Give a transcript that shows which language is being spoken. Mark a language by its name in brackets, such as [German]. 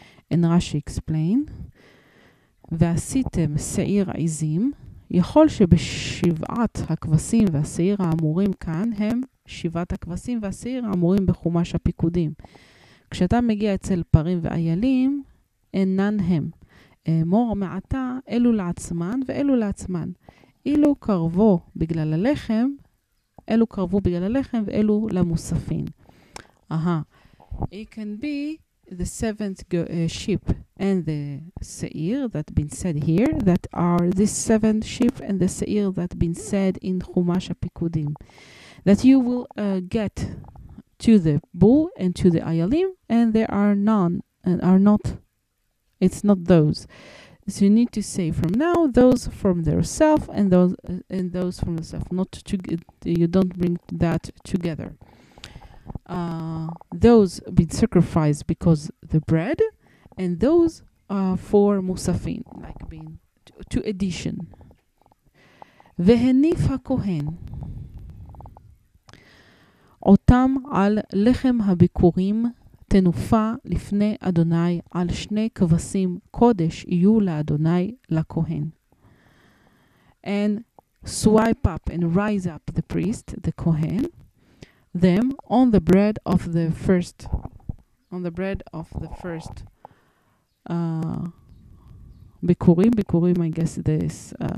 [English] And Rashi explain, [Hebrew] ועשיתם סעיר עיזים, יכול שבשבעת הכבשים והסעיר האמורים כאן, הם שבעת הכבשים והסעיר האמורים בחומש הפיקודים. כשאתה מגיע אצל פרים ואיילים, אינן הם. מור מעתה, אלו לעצמן ואלו לעצמן. אילו קרבו בגלל הלחם, אלו קרבו בגלל הלחם ואלו למוספין. Aha. [English] It can be the 7th sheep and the seir that been said here, that are this 7th sheep and the seir that been said in Humash Pikudim, that you will get to the bull and to the ayalim, and there are none, and are not, it's not those. So you need to say from now those from their self and those from the self, not to you don't bring that together. Those been sacrificed because the bread, and those for musafin, like being to addition. [Hebrew] Vehenif hakohen otam al lechem habikurim. תנופה לפני אדוני על שני כבשים קודש יהיו לאדוני לכהן. [English] And swipe up and rise up the priest, the Kohen, them on the bread of the first, on the bread of the first ביקורים, ביקורים, I guess this